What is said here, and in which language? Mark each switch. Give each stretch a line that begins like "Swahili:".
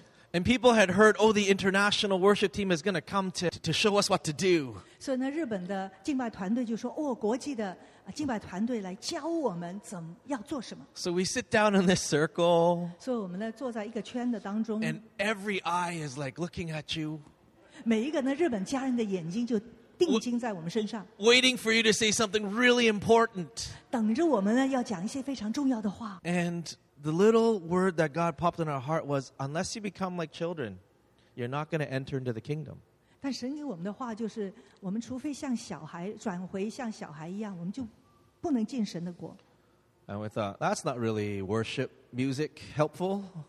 English: And people had heard, oh, the international worship team is going to come to show us what to do.
Chinese: So, 那日本的敬拜团队就说，哦，国际的敬拜团队来教我们怎么要做什么。
English: So we sit down in this circle.
Chinese: 所以我们呢坐在一个圈的当中。
English: And every eye is like looking at you.
Chinese: 每一个呢日本家人的眼睛就定睛在我们身上。
English: Waiting for you to say something really important.
Chinese: 等着我们呢要讲一些非常重要的话。
English: And the little word that God popped in our heart was, unless you become like children, you're not going to enter into the kingdom. And we thought, that's not really worship music helpful.